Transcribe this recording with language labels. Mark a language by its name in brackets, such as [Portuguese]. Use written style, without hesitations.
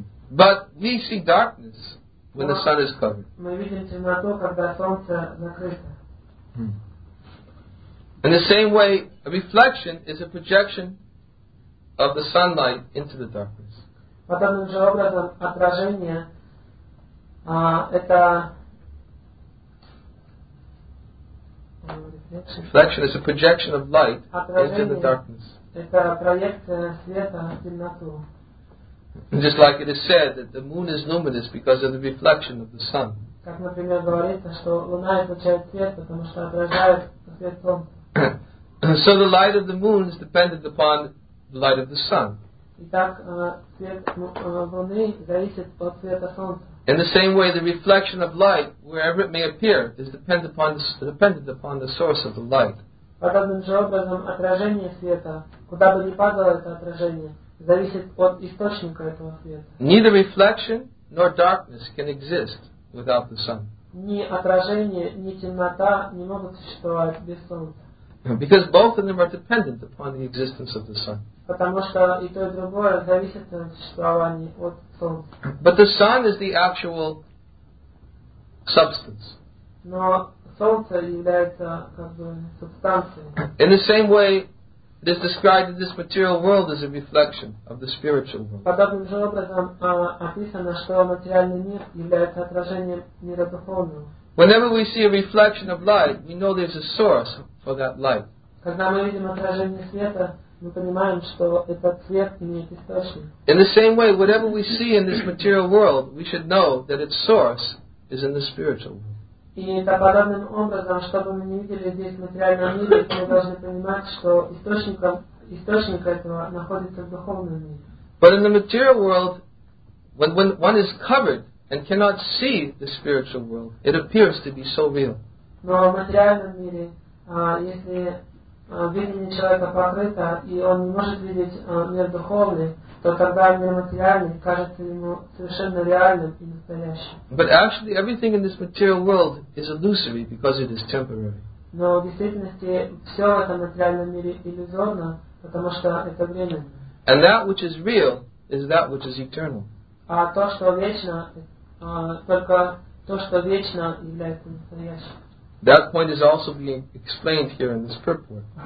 [English] But we see darkness when the sun is covered. [Russian] Мы видим темноту, когда солнце закрыто. [English] In the same way, a reflection is a projection of the sunlight into the darkness. [Russian] Подобным же образом отражение это [English] reflection is a projection of light into the darkness. [Russian] Это проекция света в темноту. [English] Just like it is said that the moon is luminous because of the reflection of the sun. [Russian] Как, например, говорится, что луна излучает свет, потому что отражает свет солнца. [English] So the light of the moon is dependent upon the light of the sun. [Russian] Итак, свет луны зависит от света солнца. [English] In the same way, the reflection of light, wherever it may appear, is dependent upon the source of the light. [Russian] Подобным же образом отражение света, куда бы ни падало это отражение. Зависит от источника этого света. [English] Neither reflection nor darkness can exist without the sun. [Russian] Ни отражение, ни темнота не могут существовать без солнца. [English] Because both of them are dependent upon the existence of the sun. [Russian] потому что и то, и другое зависит от существования, от Солнца. [English] But the sun is the actual substance. [Russian] Но Солнце является как бы субстанцией. [English] In the same way, it is described that this material world is a reflection of the spiritual world. [Russian] Подобным же образом описано, что материальный мир является отражением мира духовного. [English] Whenever we see a reflection of light, we know there's a source for that light. [Russian] Когда мы видим отражение света, мы понимаем, что этот свет имеет источник. [English] In the same way, whatever we see in this material world, we should know that its source is in the spiritual world. [Russian] И так подобным образом, чтобы мы не видели здесь материальный мир, мы должны понимать, что источник этого находится в духовном мире. [English] But in the material world, when one is covered and cannot see the spiritual world, it appears to be so real. [Russian] Но в материальном мире, если видение человека покрыто, и он не может видеть мир духовный, то тогда мир материальный кажется ему совершенно реальным и настоящим. [English] But actually, everything in this material world is illusory because it is temporary. [Russian] Но в действительности все в этом материальном мире иллюзорно, потому что это временно. [English] And that which is real is that which is eternal. [Russian] А то, что вечно, только то, что вечно, является настоящим. [English] That point is also being explained here in this purport.